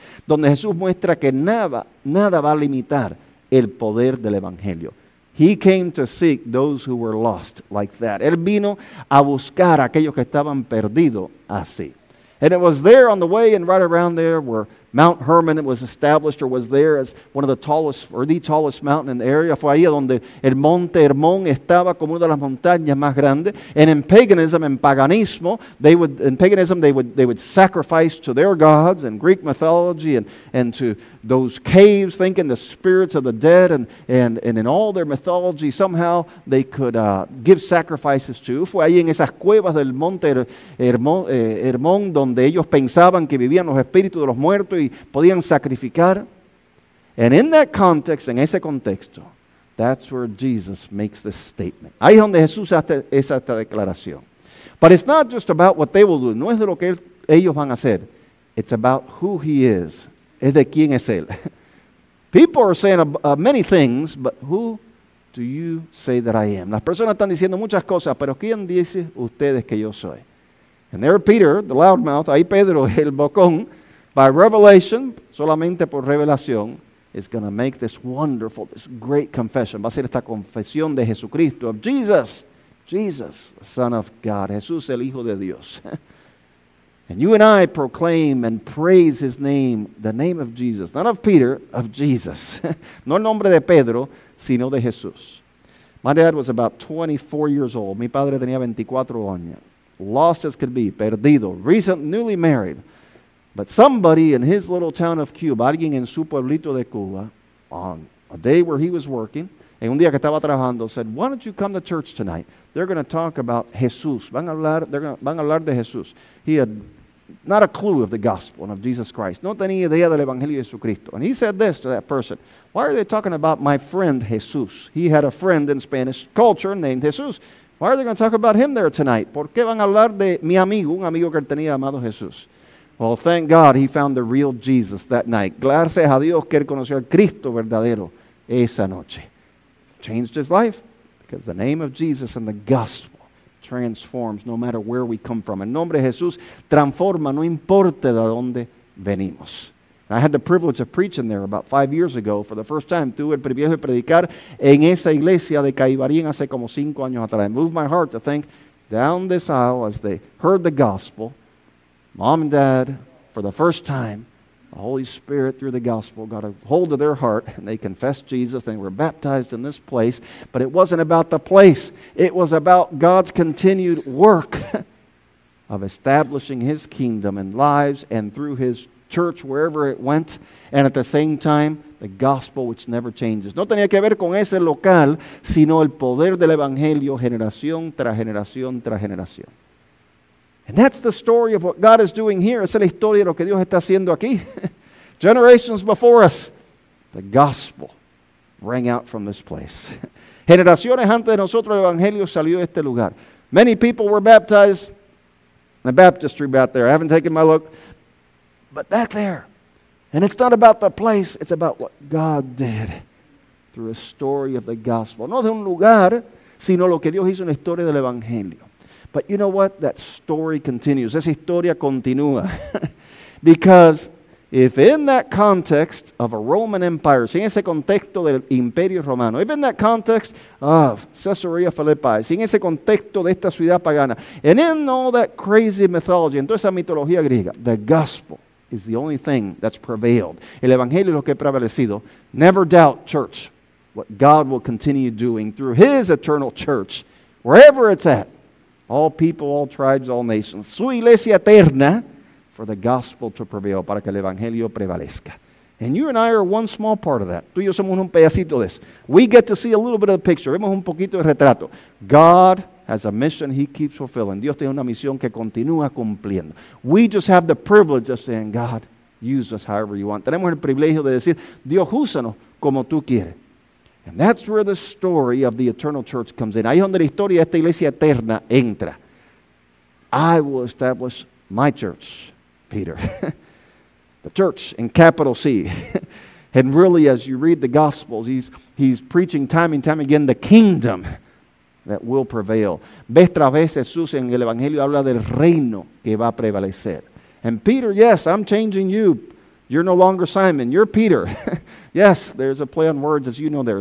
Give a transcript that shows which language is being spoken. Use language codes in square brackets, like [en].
[es] Donde Jesús muestra que nada va a limitar el poder del evangelio. [en] He came to seek those who were lost like that. [es] Él vino a buscar a aquellos que estaban perdidos así. [en] And it was there on the way and right around there where Mount Hermon was established or was there as one of the tallest or the tallest mountain in the area. [es] Fue ahí donde el Monte Hermón estaba como una de las montañas más grandes. [en] And in paganism, they would sacrifice to their gods in Greek mythology and to those caves, thinking the spirits of the dead and in all their mythology somehow they could give sacrifices to. [es] Fue ahí en esas cuevas del Monte Hermón donde ellos pensaban que vivían los espíritus de los muertos. Y podían sacrificar. [en] And in that context, [es] en ese contexto, [en] that's where Jesus makes this statement. [es] Ahí es donde Jesús hace esta declaración. [en] But it's not just about what they will do. [es] No es de lo que ellos van a hacer. [en] It's about who he is. [es] Es de quién es él. [en] People are saying many things, but who do you say that I am? [es] Las personas están diciendo muchas cosas, pero ¿quién dice ustedes que yo soy? [en] And there Peter, the loudmouth, [es] ahí Pedro, el bocón, [en] by revelation, [es] solamente por revelación, [en] is going to make this wonderful, this great confession. [es] Va a ser esta confesión de Jesucristo, [en] of Jesus. Jesus, the Son of God. [es] Jesús, el Hijo de Dios. [en] And you and I proclaim and praise his name, the name of Jesus. Not of Peter, of Jesus. [es] No el nombre de Pedro, sino de Jesús. [en] My dad was about 24 years old. [es] Mi padre tenía 24 años. [en] Lost as could be, perdido, recent, newly married. But somebody in his little town of Cuba, [es] alguien en su pueblito de Cuba, [en] on a day where he was working, [es] en un día que estaba trabajando, [en] said, why don't you come to church tonight? They're going to talk about Jesús. [es] Van a hablar de Jesús. [en] He had not a clue of the gospel and of Jesus Christ. [es] No tenía idea del Evangelio de Jesucristo. [en] And he said this to that person, why are they talking about my friend Jesús? He had a friend in Spanish culture named Jesús. Why are they going to talk about him there tonight? [es] ¿Por qué van a hablar de mi amigo, un amigo que tenía llamado Jesús? [en] Well, thank God he found the real Jesus that night. [es] Gracias a Dios que él conoció al Cristo verdadero esa noche. [en] Changed his life because the name of Jesus and the gospel transforms no matter where we come from. [es] El nombre de Jesús transforma no importa de dónde venimos. [en] And I had the privilege of preaching there about 5 years ago for the first time. [es] Tuve el privilegio de predicar en esa iglesia de Caibarien hace como 5 años atrás. [en] It moved my heart to think down this aisle as they heard the gospel, mom and dad, for the first time, the Holy Spirit through the gospel got a hold of their heart and they confessed Jesus. They were baptized in this place. But it wasn't about the place. It was about God's continued work of establishing His kingdom in lives and through His church wherever it went. And at the same time, the gospel which never changes. [es] No tenía que ver con ese local, sino el poder del evangelio generación tras generación tras generación. [en] And that's the story of what God is doing here. [es] Esa es la historia de lo que Dios está haciendo aquí. [en] Generations before us, the gospel rang out from this place. [es] Generaciones antes de nosotros, el evangelio salió de este lugar. [en] Many people were baptized in the baptistry back there. I haven't taken my look. But back there. And it's not about the place. It's about what God did through a story of the gospel. [es] No de un lugar, sino lo que Dios hizo en la historia del evangelio. [en] But you know what? That story continues. [es] Esa historia continúa. [en] Because if in that context of a Roman Empire, [es] si en ese contexto del Imperio Romano, [en] if in that context of Caesarea Philippi, [es] si en ese contexto de esta ciudad pagana, [en] and in all that crazy mythology, [es] en toda esa mitología griega, [en] the gospel is the only thing that's prevailed. [es] El evangelio es lo que ha prevalecido. [en] Never doubt, church, what God will continue doing through His eternal church, wherever it's at. All people, all tribes, all nations. [es] Su iglesia eterna [en] for the gospel to prevail, [es] para que el evangelio prevalezca. [en] And you and I are one small part of that. [es] Tú y yo somos un pedacito de eso. [en] We get to see a little bit of the picture. [es] Vemos un poquito de retrato. [en] God has a mission He keeps fulfilling. [es] Dios tiene una misión que continúa cumpliendo. [en] We just have the privilege of saying, God, use us however you want. [es] Tenemos el privilegio de decir, Dios, úsanos como tú quieres. [en] And that's where the story of the eternal church comes in. [es] Ahí es donde la historia de esta iglesia eterna entra. [en] I will establish my church, Peter. The church in capital C. And really, as you read the Gospels, he's preaching time and time again the kingdom that will prevail. [es] Vez tras vez Jesús en el Evangelio habla del reino que va a prevalecer. [en] And Peter, yes, I'm changing you. You're no longer Simon, you're Peter. Yes, there's a play on words, as you know there.